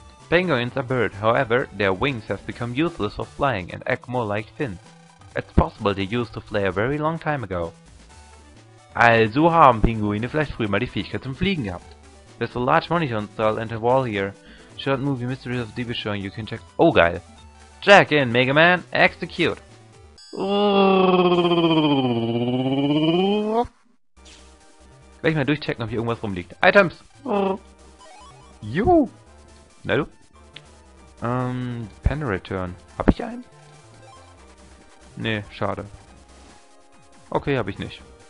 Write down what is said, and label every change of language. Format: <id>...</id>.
<en>Penguins are birds, however, their wings have become useless for flying and act more like fins. It's possible they used to fly a very long time ago.</en> <de>Also haben Pinguine vielleicht früher mal die Fähigkeit zum Fliegen gehabt.</de> <en>There's a large monitor installed in the wall here. Short movie Mysteries of Deep is showing, you can check... Oh, geil. Check in, Mega Man. Execute.</en> <de>Werde ich mal durchchecken, ob hier irgendwas rumliegt. Items. Juhu. Na du? Panel Return. Habe ich einen? Nee, schade. Okay, habe ich nicht.</de>